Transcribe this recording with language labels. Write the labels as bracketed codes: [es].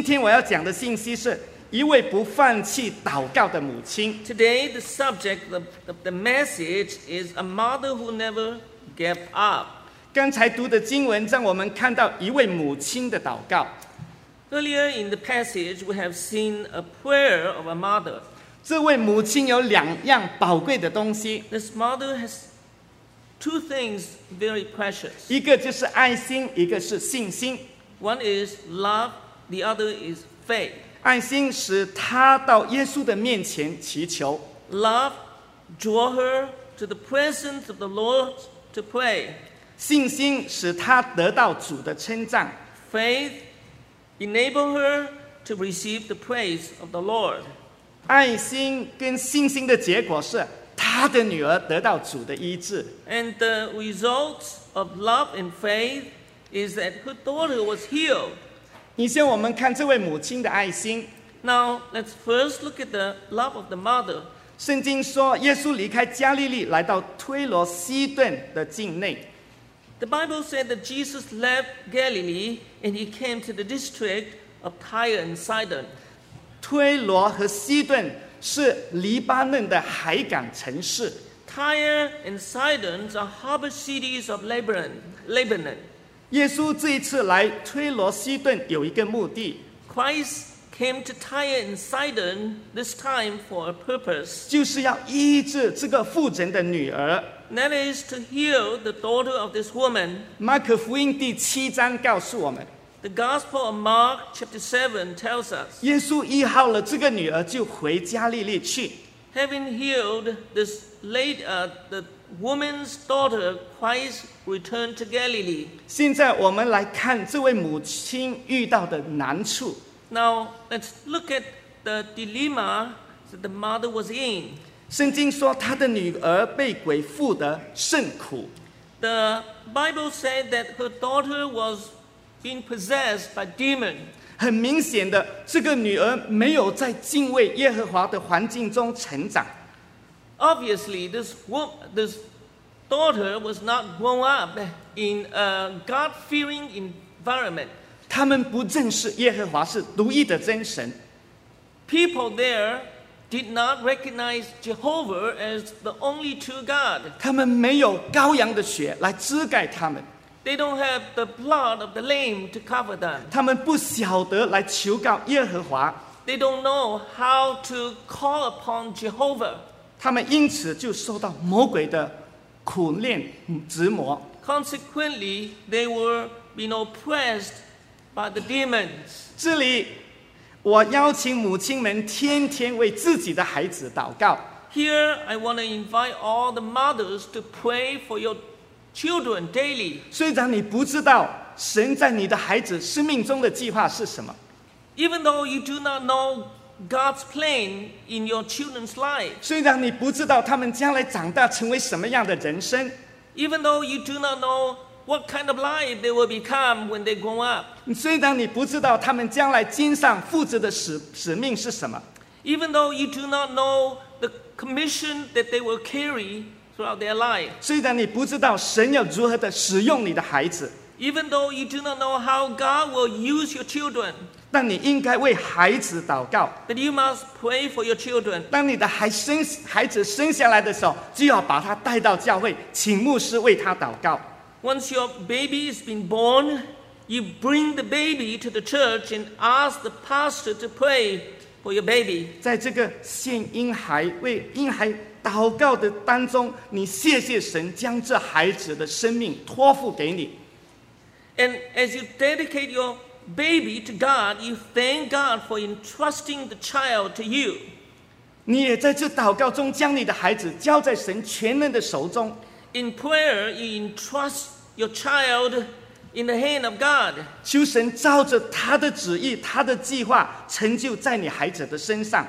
[zh] 要讲的信息是一位不放弃祷告的母亲。 [en] Today the subject of the message is a mother who never gave up. [zh] 刚才读的经文让我们看到一位母亲的祷告。 [en] Earlier in the passage, we have seen a prayer of a mother. [zh] 这位母亲有两样宝贵的东西。 [en] This mother has two things very precious. [zh] 一个就是爱心，一个是信心。 [en] One is love, the other is faith. [zh] 爱心使她到耶稣的面前祈求。 [en] Love draw her to the presence of the Lord to pray. [zh] 信心使她得到主的称赞。 [en] Faith enable her to receive the praise of the Lord. [zh] 爱心跟信心的结果是她的女儿得到主的医治。 [en] And the result of love and faith is that her daughter was healed. [zh] 以先我们看这位母亲的爱心。 [en] Now, let's first look at the love of the mother. [zh] 圣经说耶稣离开加利利来到推罗西顿的境内。 [en] The Bible said that Jesus left Galilee and he came to the district of Tyre and Sidon. [zh] 推罗和西顿是黎巴嫩的海港城市。 [en] Tyre and Sidon are harbor cities of Lebanon. [zh] 耶稣这一次来推罗西顿有一个目的。 [en] Christ came to Tyre and Sidon this time for a purpose. [zh] 就是要医治这个妇人的女儿。 [en] That is to heal the daughter of this woman. [zh] 马可福音第七章告诉我们。 [en] The Gospel of Mark chapter 7 tells us. [zh] 耶稣医好了这个女儿就回加利利去。 [en] Having healed this lady, the woman's daughter, Christ returned to Galilee. [zh] 现在我们来看这位母亲遇到的难处。 [en] Now, let's look at the dilemma that the mother was in. [zh] 圣经说她的女儿被鬼附得甚苦。 [en] The Bible said that her daughter was being possessed by demon. [zh] 很明显的，这个女儿没有在敬畏耶和华的环境中成长。 [en] Obviously, this daughter was not grown up in a God-fearing environment. [zh] 他们不认识耶和华是独一的真神。 [en] People there did not recognize Jehovah as the only true God. [zh] 他们没有羔羊的血来遮盖他们。 [en] They don't have the blood of the lamb to cover them. [zh] 他们不晓得来求告耶和华。 [en] They don't know how to call upon Jehovah. [zh] 他们因此就受到魔鬼的苦练折磨。 [en] Consequently, they were being oppressed by the demons. [zh] 这里我邀请母亲们天天为自己的孩子祷告。 [en] Here, I want to invite all the mothers to pray for your children daily. [zh] 虽然你不知道神在你的孩子生命中的计划是什么。 [en] Even though you do not know God's plan in your children's life. [zh] 虽然你不知道他们将来长大成为什么样的人生。 [en] Even though you do not know what kind of life they will become when they grow up. [zh] 虽然你不知道他们将来肩上负责的使命是什么。 [en] Even though you do not know the commission that they will carry throughout their life. [zh] 虽然你不知道神要如何的使用你的孩子。 [en] Even though you do not know how God will use your children. [zh] 但你应该为孩子祷告。 [en] But you must pray for your children. [zh] 当你的孩子生下来的时候，就要把他带到教会，请牧师为他祷告。 [en] Once your baby has been born, you bring the baby to the church and ask the pastor to pray for your baby. [zh] 在这个献婴孩、为婴孩祷告的当中，你谢谢神将这孩子的生命托付给你。 [en] And as you dedicate your baby to God, you thank God for entrusting the child to you. [zh] 你也在这祷告中将你的孩子交在神全能的手中。 [en] In prayer, you entrust your child in the hand of God. [zh] 求神照着他的旨意、他的计划成就在你孩子的身上。